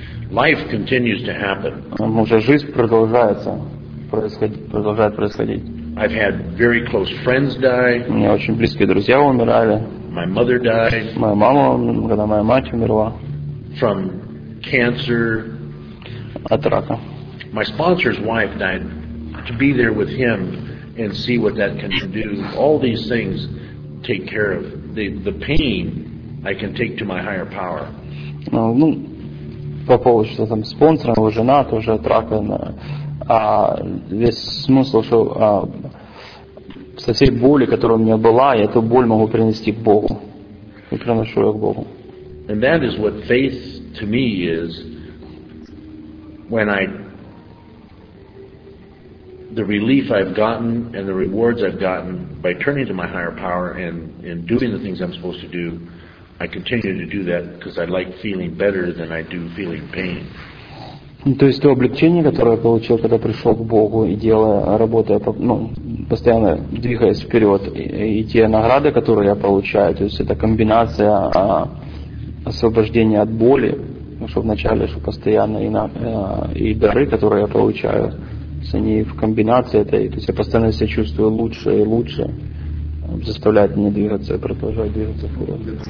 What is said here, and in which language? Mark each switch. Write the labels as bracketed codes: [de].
[en] Life continues to happen. [ru] Уже жизнь продолжает происходить. [en] I've had very close friends die. [ru] У меня очень близкие друзья умирали. [en] My mother died. [ru] Моя мама, когда моя мать умерла. [en] From cancer. [ru] От рака. [en] my sponsor's wife died, to be there with him and see what that can do. All these things take care of. The pain I can take to my higher power. [ru] Ну, по поводу, что там спонсор, его жена тоже отракована. А весь смысл, что со всей боли, которая у меня была, я эту боль могу принести к Богу. И приношу ее к Богу. [en] And that is what faith to me is when I the relief I've gotten and the rewards I've gotten by turning to my higher power and doing the things I'm supposed to do, I continue to do that because I like feeling better than I do feeling pain. [ru] То есть то облегчение, которое я получил, когда пришел к Богу и делая, работая, ну, постоянно двигаясь вперед, и те награды, которые я получаю, то есть это комбинация освобождения от боли, что вначале, что постоянно, и дары, которые я получаю, они в комбинации этой, то есть я постоянно себя чувствую лучше и лучше, заставляет меня двигаться, продолжать двигаться вперед.